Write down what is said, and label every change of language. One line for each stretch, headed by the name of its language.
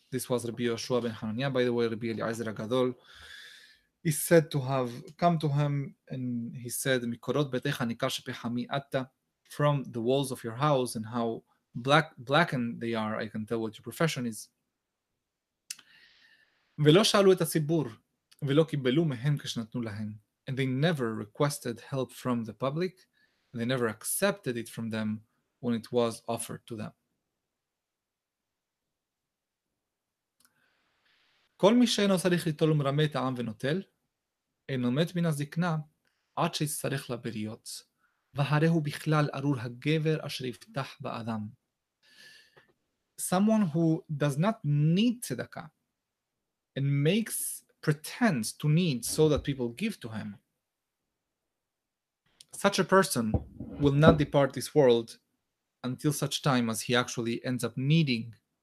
English: This was Rabbi Yoshua ben Hanania, by the way. Rabbi Eliezer HaGadol is said to have come to him and he said,
Hebrew: "Mikorot betecha nikar shepechami atta,"
English: from the walls of your house and how blackened they are, I can tell what your profession is.
Hebrew: Ve'lo shalu et hasibur, ve'lo kibelu mehem keshnatnu lahem.
English: And they never requested help from the public, and they never accepted it from them when it was offered to them.
Hebrew: כל מי שאינו צריך ליטול ומרמה את העם ונוטל, אינו מת מן הזקנה עד שיצטרך לבריות, והרי הוא בכלל ארור הגבר אשר יפתח באדם.
English: Someone who does not need tzedakah and makes pretense to need so that people give to him, such a person will not depart this world until such time as he actually ends up needing.